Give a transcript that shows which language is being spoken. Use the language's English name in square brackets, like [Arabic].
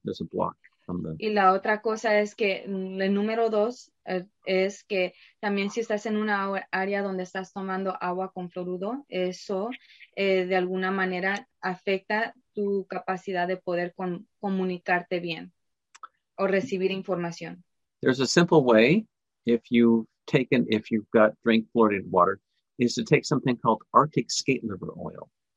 [English] There's a block from the... [Spanish] Y la otra cosa es que el número dos es que también si estás en una área donde estás tomando agua con fluoruro, eso de alguna manera afecta tu capacidad de poder comunicarte bien o recibir información. [English] There's a simple way if you've got drink fluoridated water, is to take something called Arctic skate liver oil.